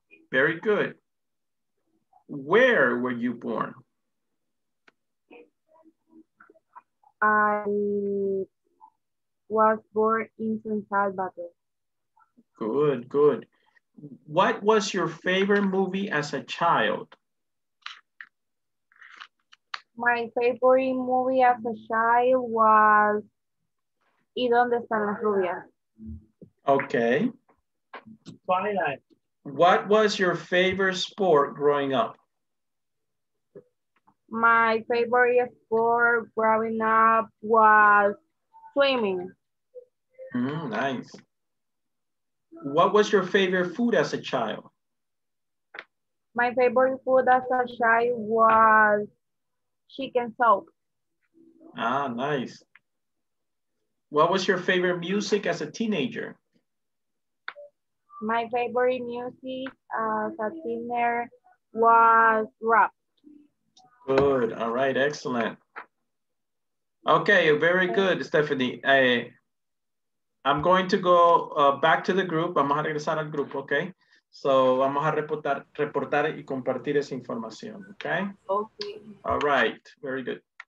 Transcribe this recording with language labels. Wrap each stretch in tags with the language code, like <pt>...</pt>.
<en>Very good. Where were you born? I was born in San Salvador. Good, good. What was your favorite movie as a child? My favorite movie as a child was ¿Y dónde están las rubias? Okay. Twilight. What was your favorite sport growing up? My favorite sport growing up was swimming. Nice. What was your favorite food as a child? My favorite food as a child was chicken soup. Ah, nice. What was your favorite music as a teenager? My favorite music as a teenager was rap. Good, all right, excellent. Okay, very good, Stephanie. I'm going to go back to the group.</en> <es>Vamos a regresar al grupo, okay? So vamos a reportar y compartir esa información, okay?</es> <en>Okay. All right, very good.</en>